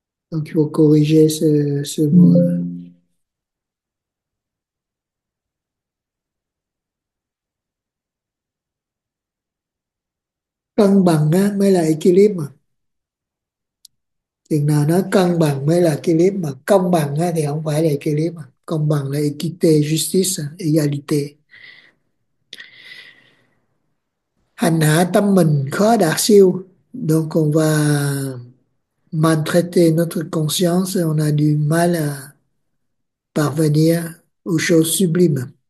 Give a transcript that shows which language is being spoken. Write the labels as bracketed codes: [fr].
[fr] Donc, il faut corriger ce mot. [vi] Cân bằng á, mới là équilibre. Chừng nào nó cân bằng mới là équilibre. Mà công bằng á, thì không phải là équilibre. Công bằng là [fr] équité, justice, égalité. [vi] Hành hạ tâm mình khó đạt siêu. [fr] Donc, on va maltraiter notre conscience et on a du mal à parvenir aux choses sublimes.